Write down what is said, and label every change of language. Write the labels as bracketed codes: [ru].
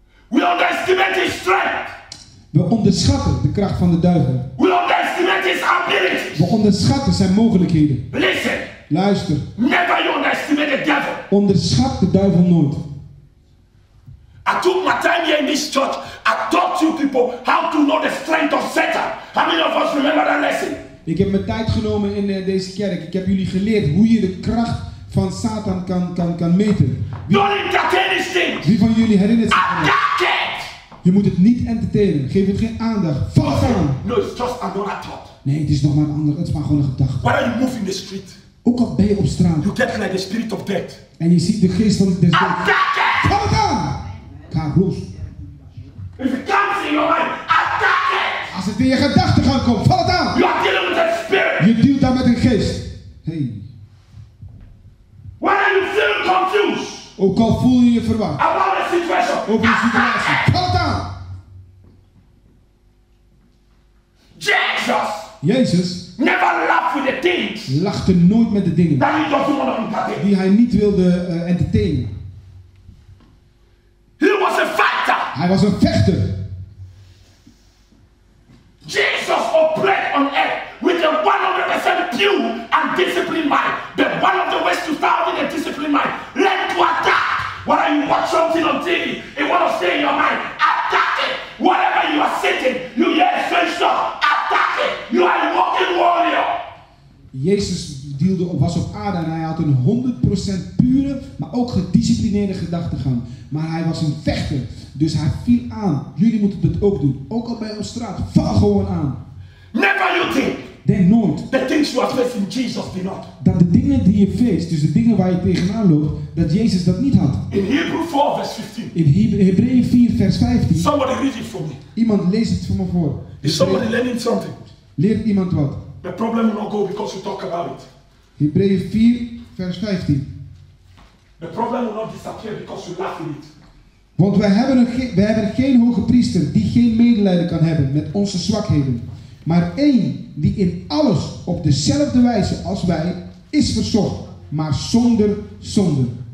[en] We underestimate his strength. [nl] We onderschatten de kracht van de duivel. [en] We underestimate his abilities. [nl] We onderschatten zijn mogelijkheden. [en] Listen. [nl] Luister. [en] Never you underestimate the devil. [nl] Onderschat de duivel nooit. [en] I took my time here in this church. I taught you people how to know the strength of Satan. How many of us remember that lesson? [nl] Ik heb mijn tijd genomen in deze kerk. Ik heb jullie geleerd hoe je de kracht van Satan kan meten. [en] Don't entertain his things. [nl] Wie van jullie herinnert zich? [en] Attack it. [nl] Je moet het niet entertainen. Geef het geen aandacht. Val aan. [en] No, it's just another thought. [nl] Nee, het is nog maar een andere. Het is maar gewoon een gedachte. [en] Why are you moving the street? [nl] Ook al ben je op straat. [en] You get like the spirit of death. [nl] En je ziet de geest van de dood. [en] Attack it! [nl] Val het aan! Carlos. [en] If it comes in your mind, attack it! [nl] Als het in je gedachten gaat komen, val het aan! [en] You are dealing with a spirit! [nl] Je dealt daar met een geest. [en] Hey. Why are you feeling confused? [nl] Ook al voel je je verwacht. [en] About the situation. [nl] Over de situatie. Val het aan. [en] Jesus. [nl] Jezus. [en] Never laughed with the things. [nl] Lachte nooit met de dingen. [en] That he doesn't want to entertain. [nl] Die hij niet wilde entertainen. [en] He was a fighter. [nl] Hij was een vechter. [en] Jesus operated on earth with a 100% pure and disciplined mind. The one of the ways to start with a disciplined mind. Learn to attack. Whether you watch something on TV, it want to stay in your mind. Attack it. Whatever you are sitting, you hear a strange song. Attack it. You are a walking warrior. [nl] Jezus was op aarde en hij had een 100% pure, maar ook gedisciplineerde gedachtegang. Maar hij was een vechter, dus hij viel aan. Jullie moeten het ook doen, ook al bij ons straat. Val gewoon aan. [en] Never you think. [nl] Denk nooit. [en] The things you are facing, Jesus did not. [nl] Dat de dingen die je face, dus de dingen waar je tegenaan loopt, dat Jezus dat niet had. In Hebreeën 4, vers 15. In Hebreeën 4, vers 15. [en] Somebody read it for me. [nl] Iemand leest het voor me voor. [en] Is somebody learning something? [nl] Leert iemand wat? [en] The problem will not go because you talk about it. [nl] Hebreeën 4, vers 15. [en] The problem will not disappear because you laugh at it. [nl] Want wij hebben geen hoge priester die geen medelijden kan hebben met onze zwakheden. Maar één die in alles op dezelfde wijze als wij is verzocht, maar zonder zonde.